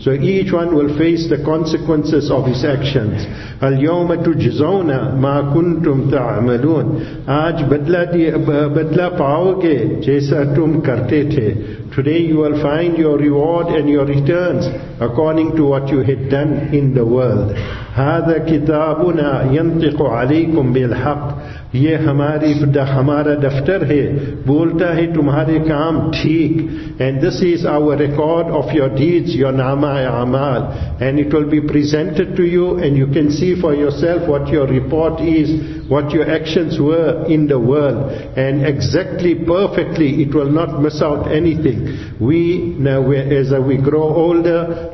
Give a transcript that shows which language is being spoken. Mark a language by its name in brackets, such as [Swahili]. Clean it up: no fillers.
[English] So each one will face the consequences of his actions. [Arabic] الْيَوْمَ تُجْزَوْنَ مَا كُنْتُمْ تَعْمَلُونَ [Urdu] آج بدلہ پاؤ گے جیسا تم کرتے تھے. [English] Today you will find your reward and your returns according to what you had done in the world. [Arabic] هذا كتابنا ينطق عليكم بالحق [Urdu] یہ ہمارا دفتر ہے بولتا ہے تمہارے کام ٹھیک. [English] And this is our record of your deeds, your nama amal, and it will be presented to you, and you can see for yourself what your report is, what your actions were in the world, and exactly, perfectly, it will not miss out anything. We now, as we grow older,